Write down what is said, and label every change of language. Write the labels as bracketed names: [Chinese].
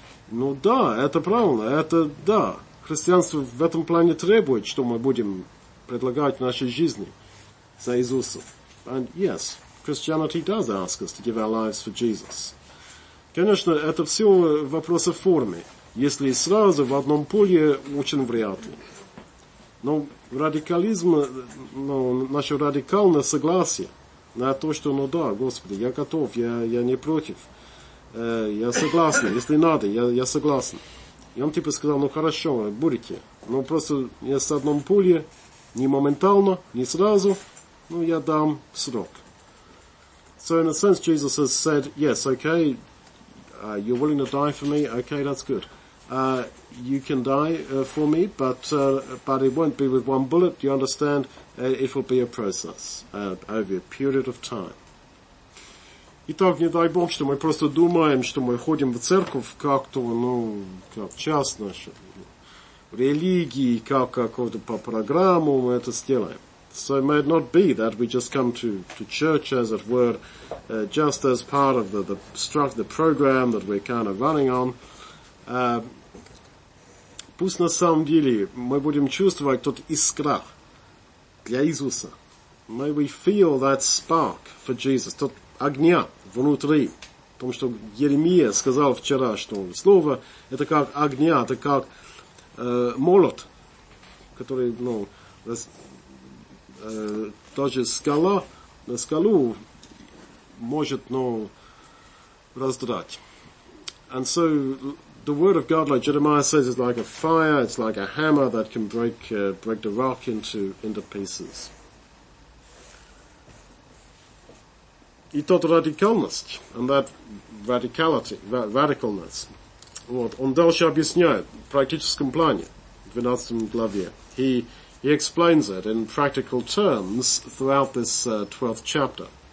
[Russian] Ну да, это правильно, это да. Христианство в этом плане требует, что мы будем предлагать наши жизни за Иисуса. [English] And yes, Christianity does ask us to give our lives for Jesus. [Russian] Конечно, это все вопросы формы. Если сразу в одном поле, очень вряд ли. Но радикализм, ну, наше радикальное согласие на то, что, ну да, Господи, я готов, я не против. Я согласен, если надо, я согласен. И он типа сказал, ну хорошо, будете. Но просто я с одном поле, не моментально, не сразу, ну я дам срок. [English] So in a sense, Jesus has said, yes, okay, you're willing to die for me, okay, that's good. You can die for me, but it won't be with one bullet, you understand? It will be a process over a period of time. [Russian] Итак, не дай Бог, что мы просто думаем, что мы ходим в церковь как-то, ну, как частно, в религии, как какого-то по программу мы это сделаем. [English] So it may not be that we just come to church, as it were, just as part of the program that we're kind of running on. [Russian] Пусть на самом деле мы будем чувствовать тот искра для Иисуса. [English] May we feel that spark for Jesus, [Russian] тот огня внутри. Потому что Еремия сказал вчера, что слово это как огня, это как молот, который, ну, даже скала, на скалу может, ну, раздрать. [English] And so the word of God, like Jeremiah says, is like a fire, it's like a hammer that can break the rock into pieces. [Russian] И тот радикальность, [English] and that radicality, radicalness. [Russian] Вот, он дальше объясняет в практическом плане, в 12 главе. [English] He explains it in practical terms throughout this 12th chapter.